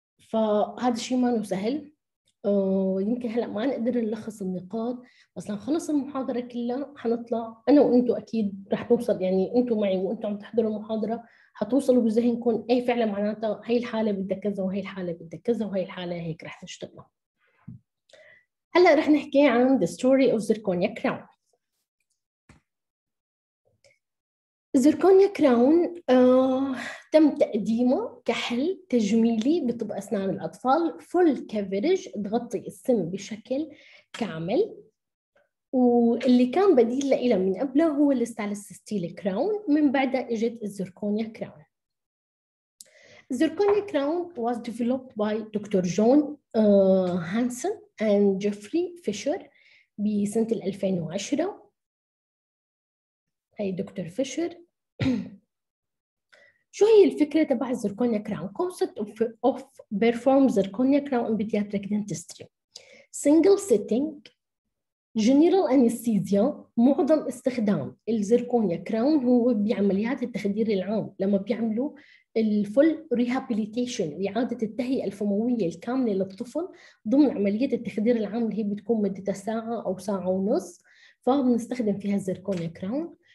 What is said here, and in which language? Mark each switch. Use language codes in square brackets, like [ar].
[ar] فهذا الشيء ما هو سهل، يمكن هلا ما نقدر نلخص النقاط، بس لنخلص المحاضره كلها حنطلع انا وانتم اكيد رح نوصل، يعني انتم معي وانتم عم تحضروا المحاضره حتوصلوا بذهنكم اي فعلا معناتها هي الحاله بدها كذا، وهي الحاله بدها كذا، وهي الحاله هيك رح تشتغل. هلا رح نحكي عن [en] the story of zirconia crown. [ar] زيركونيا كراون تم تقديمه كحل تجميلي بطب أسنان الأطفال، فول كافيرج، تغطي السن بشكل كامل، واللي كان بديل لإله من قبله هو الستالس ستيل كراون، من بعدها إجت الزيركونيا كراون. [en] Zirconia crown was developed by doctor John Hansen and Jeffrey Fisher بسنة 2010. [ar] هاي دكتور فيشر. شو هي الفكرة تبع [en] Zirconia crown? Concept of perform zirconia crown in pediatric dentistry. Single setting, general anesthesia. [ar] معظم استخدام الزيركونيا كراون هو بعمليات التخدير العام، لما بيعملوا الفول ريهابيليتيشن، إعادة التهيئة الفموية الكاملة للطفل ضمن عملية التخدير العام اللي هي بتكون مدتها ساعة أو ساعة ونص، فبنستخدم فيها زيركونيا كراون.